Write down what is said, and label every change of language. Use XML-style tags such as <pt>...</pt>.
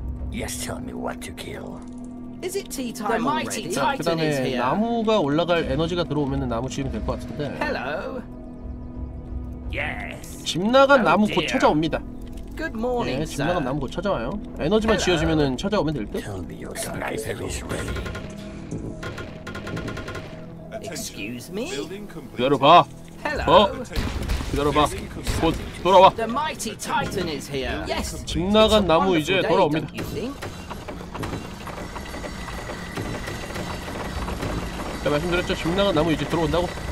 <en>Yes, tell me what to kill. Is it tea time already? The mighty titan is here.</en> <ko>나무가 올라갈 에너지가 들어오면은 나무 지으면 될 것 같은데.</ko> <en>Hello. Yes.</en> <ko>집 나간 나무 곧 찾아옵니다.</ko> <en>Good morning.</en> <ko>예, 집 나간 나무 곧 찾아와요. 에너지만</ko> <en>Hello.</en> <ko>지어주면은 찾아오면 될 듯.</ko> <en>Tell me your sniper is ready. Excuse me.</en> <ko>기다려봐.</ko> <en>Hello.</en> <ko>기다려봐. 곧 돌아와.</ko> <en>The mighty titan is here. Yes.</en> <ko>집 나간 나무 이제 돌아옵니다. 제가 말씀드렸죠. 집 나간 나무 이제 들어온다고.</ko>